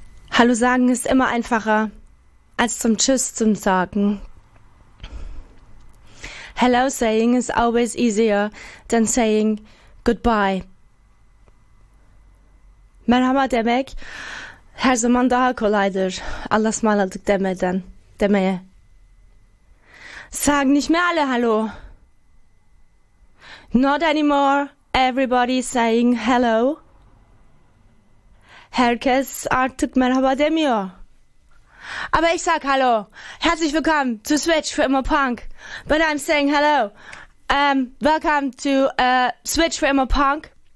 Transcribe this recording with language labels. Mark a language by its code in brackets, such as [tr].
[de] Hallo sagen ist immer einfacher als zum Tschüss zum sagen. [en] Hello saying is always easier than saying goodbye. [tr] Merhaba demek her zaman daha kolaydır. Allah'a ısmarladık demeye. [de] Sagen nicht mehr alle hallo. [en] Not anymore everybody saying hello. [tr] Herkes artık merhaba demiyor. [de] Aber ich sag hallo. Herzlich willkommen to Switch for Emo Punk. [en] But I'm saying hello. Welcome to Switch for Emo Punk.